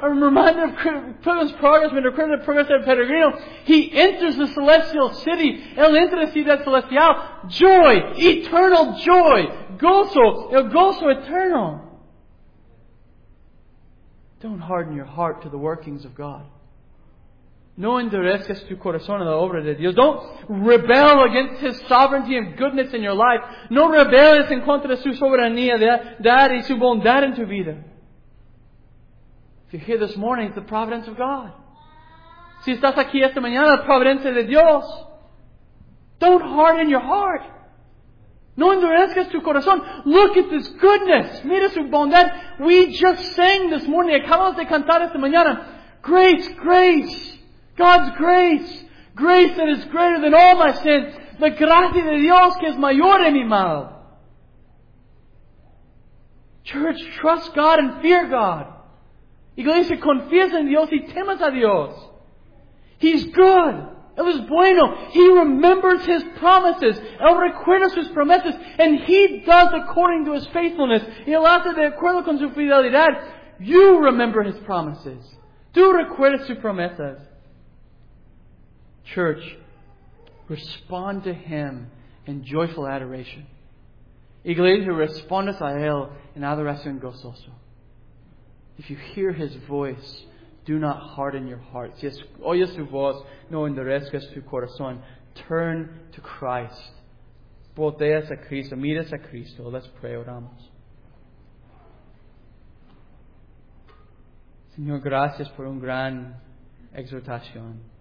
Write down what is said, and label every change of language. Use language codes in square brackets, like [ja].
[en] A reminder of Pilgrim's Progress, when the credit of Progress of Peregrino. He enters the celestial city. [es] El entra a ciudad celestial. [en] Joy. Eternal joy. [es] Gozo. El gozo eternal. [en] Don't harden your heart to the workings of God. [es] No endurezcas tu corazón a la obra de Dios. [en] Don't rebel against His sovereignty and goodness in your life. [es] No rebeles en contra de su soberanía y su bondad en tu vida. [en] If you're here this morning, it's the providence of God. [es] Si estás aquí esta mañana, la providencia de Dios. [en] Don't harden your heart. [es] No endurezcas tu corazón. [en] Look at this goodness. [es] Mira su bondad. [en] We just sang this morning. [es] Acabamos de cantar esta mañana. [en] Grace, grace. God's grace. Grace that is greater than all my sins. [es] La gracia de Dios que es mayor en mi mal. [en] Church, trust God and fear God. [es] Iglesia, confías en Dios y temas a Dios. [en] He's good. [es] Él es bueno. [en] He remembers His promises. [es] Él recuerda sus promesas. [en] And He does according to His faithfulness. [es] Y Él hace de acuerdo con su fidelidad. [en] You remember His promises. [es] Tú recuerdas sus promesas. [en] Church, respond to Him in joyful adoration. [es] Iglesia, respondes a Él en adoración gozoso. [en] If you hear His voice, do not harden your hearts. [es] Si oyes su voz, no endurezcas tu corazón. [en] Turn to Christ. [es] Volteas a Cristo. Miras a Cristo. [en] Let's pray, [es] oramos. Señor, gracias por un gran exhortación.